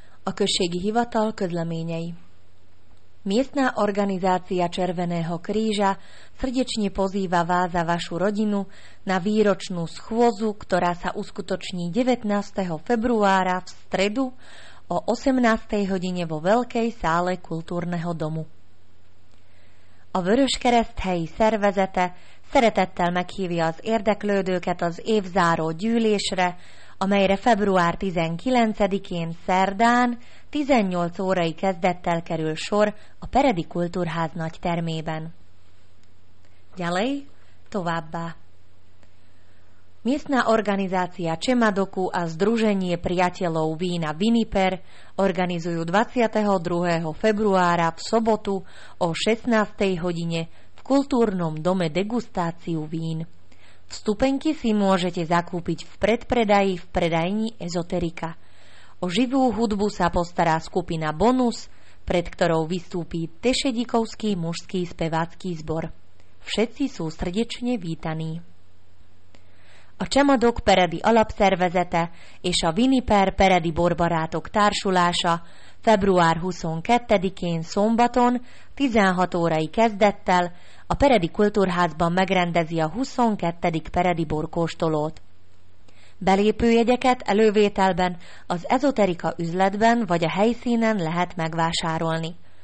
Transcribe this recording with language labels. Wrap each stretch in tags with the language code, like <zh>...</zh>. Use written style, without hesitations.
<hu>A község hivatal közleményei.</hu> <sk>Miestna organizácia Červeného kríža srdečne pozýva vás a vašu rodinu na výročnú schôzu, ktorá sa uskutoční 19. februára v stredu o 18. hodine vo Veľkej sále kultúrneho domu.</sk> <hu>A vöröskereszt helyi szervezete szeretettel meghívja az érdeklődőket az évzáró gyűlésre, amelyre február 19-én szerdán 18 órai kezdettel kerül sor a Peredi Kultúrház nagy termében. Gyalej, továbbá!</hu> <sk>Miestna organizácia Čemadoku a Združenie priateľov vína Viniper organizujú 22. februára v sobotu o 16. hodine v kultúrnom dome degustáciu vín. Vstupenky si môžete zakúpiť v predpredaji v predajni Ezoterika. O živú hudbu sa postará skupina Bonus, pred ktorou vystúpí Tešedikovský mužský spevácky zbor. Všetci sú srdečne vítaní.</sk> <hu>A Čemadok Peredi alapszervezete és a Viniper Peredi borbarátok társulása február 22-én szombaton 16 órai kezdettel a Peredi Kultúrházban megrendezi a 22. Peredi borkóstolót. Belépőjegyeket elővételben az Ezoterika üzletben vagy a helyszínen lehet megvásárolni.</hu>